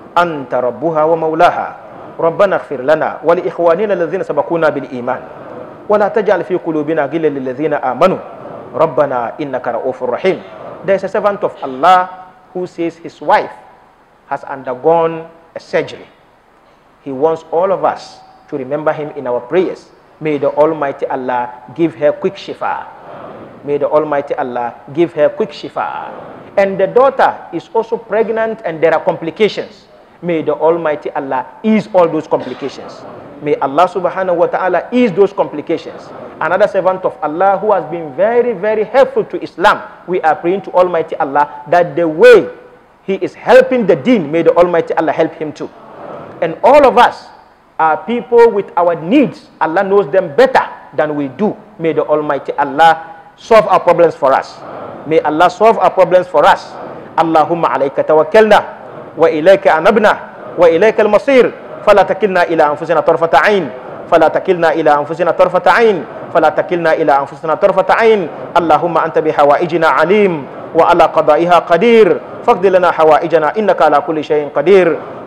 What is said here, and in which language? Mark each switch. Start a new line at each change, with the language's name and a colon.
Arabic: أنت ربها ومولاها ربنا اغفر لنا ولإخواننا الذين سبقونا بالإيمان ولا تجعل في قلوبنا غلا للذين آمنوا ربنا إنك رؤوف رحيم.
English: There is a servant of Allah who says his wife has undergone a surgery. He wants all of us to remember him in our prayers. May the Almighty Allah give her quick shifa. May the Almighty Allah give her quick shifa. And the daughter is also pregnant and there are complications. May the Almighty Allah ease all those complications. May Allah subhanahu wa ta'ala ease those complications. Another servant of Allah who has been very, very helpful to Islam, we are praying to Almighty Allah that the way he is helping the deen, may the Almighty Allah help him too. And all of us are people with our needs. Allah knows them better than we do. May the Almighty Allah solve our problems for us. May Allah solve our problems for us.
Arabic: Allahumma alayka tawakkalna. وإليك أنبنا وإليك المصير فلا تكلنا إلى أنفسنا طرفة عين فلا تكلنا إلى أنفسنا طرفة عين فلا تكلنا إلى أنفسنا طرفة عين. اللهم أنت بحوائجنا عليم وعلى قضائها قدير فاقض لنا حوائجنا إنك على كل شيء قدير.